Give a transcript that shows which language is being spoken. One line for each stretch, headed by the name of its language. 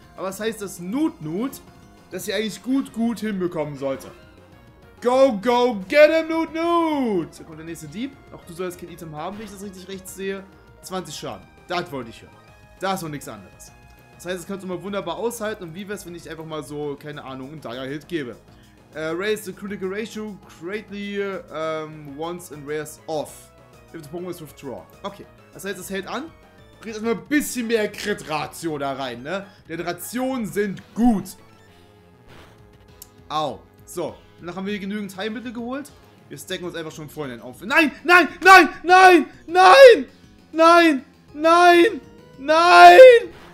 German: Aber das heißt, dass Nutnut, dass sie eigentlich gut hinbekommen sollte.
English: Go, go, get him,
German: Nutnut! Da kommt der nächste Dieb. Auch du sollst kein Item haben, wenn ich das richtig rechts sehe. 20 Schaden. Das wollte ich hören. Das und nichts anderes. Das heißt, das kannst du mal wunderbar aushalten. Und wie wär's, wenn ich einfach mal so, keine Ahnung, einen Dire-Hit gebe?
English: Raise the critical ratio greatly once and wears off. If the Pokémon is withdraw.
German: Okay, das heißt, es hält an. Bringt erstmal ein bisschen mehr Crit-Ratio da rein, ne? Denn Rationen sind gut. Au. So, danach haben wir hier genügend Heilmittel geholt. Wir stacken uns einfach schon vorhin auf. Nein, nein, nein, nein, nein, nein, nein, nein.